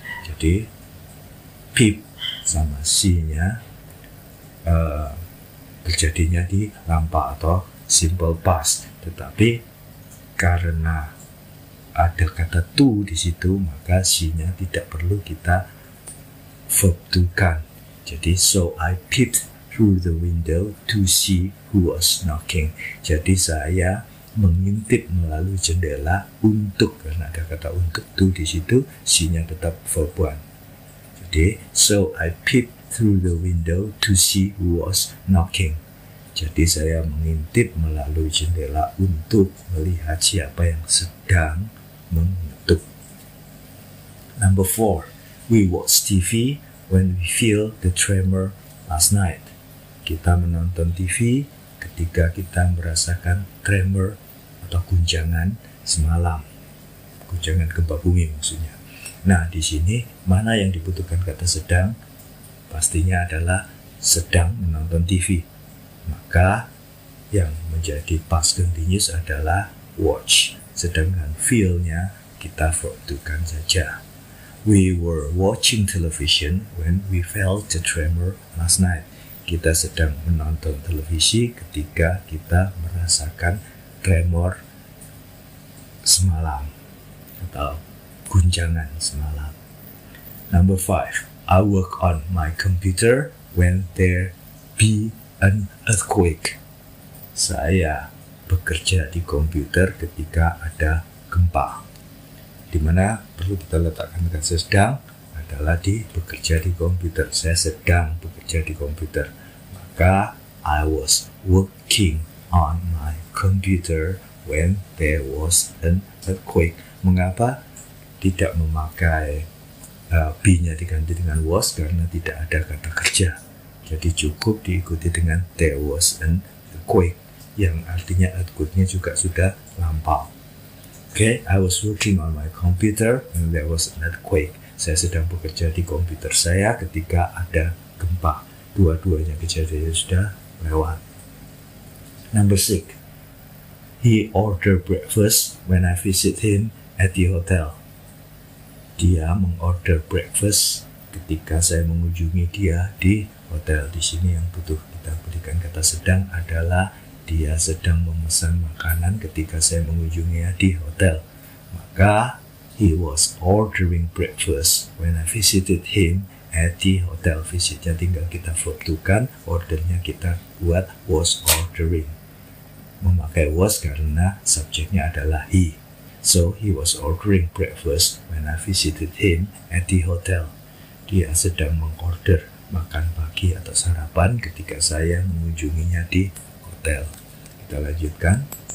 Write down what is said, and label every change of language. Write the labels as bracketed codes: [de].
[id] Jadi peep sama see-nya terjadinya di lampau atau simple past, tetapi karena ada kata to di situ, maka see-nya tidak perlu kita verb to-kan. Jadi, [en] so I peeped through the window to see who was knocking. [id] Jadi, saya mengintip melalui jendela untuk, karena ada kata untuk to di situ, see-nya tetap verb one. Jadi, [en] so I peeped through the window to see who was knocking. [id] Jadi saya mengintip melalui jendela untuk melihat siapa yang sedang mengetuk. [en] Number four, we watch TV when we feel the tremor last night. [id] Kita menonton TV ketika kita merasakan tremor atau guncangan semalam. Guncangan gempa bumi maksudnya. Nah, di sini mana yang dibutuhkan kata sedang? Pastinya adalah sedang menonton TV. Maka yang menjadi past continuous adalah watch. Sedangkan feel-nya kita fokuskan saja. [en] We were watching television when we felt the tremor last night. [id] Kita sedang menonton televisi ketika kita merasakan tremor semalam atau guncangan semalam. [en] Number five, I work on my computer when there be an earthquake. [id] Saya bekerja di komputer ketika ada gempa. Di mana perlu kita letakkan kata sedang adalah di bekerja di komputer. Saya sedang bekerja di komputer. Maka [en] I was working on my computer when there was an earthquake. [id] Mengapa tidak memakai be-nya diganti dengan was? Karena tidak ada kata kerja. Jadi cukup diikuti dengan [en] there was an earthquake, [id] yang artinya earthquake-nya juga sudah lampau. [en] Okay, I was working on my computer when there was an earthquake. [id] Saya sedang bekerja di komputer saya ketika ada gempa. Dua-duanya kejadiannya sudah lewat. [en] Number six, he ordered breakfast when I visit him at the hotel. [id] Dia mengorder breakfast ketika saya mengunjungi dia di hotel di sini yang butuh kita berikan kata sedang adalah dia sedang memesan makanan ketika saya mengunjunginya di hotel. Maka, [en] he was ordering breakfast when I visited him at the hotel visit. [id] Jadi tinggal kita fotokan, ordernya kita buat was ordering. Memakai was karena subjeknya adalah he. [en] So, he was ordering breakfast when I visited him at the hotel. [id] Dia sedang mengorder makan pagi atau sarapan ketika saya mengunjunginya di hotel. Kita lanjutkan.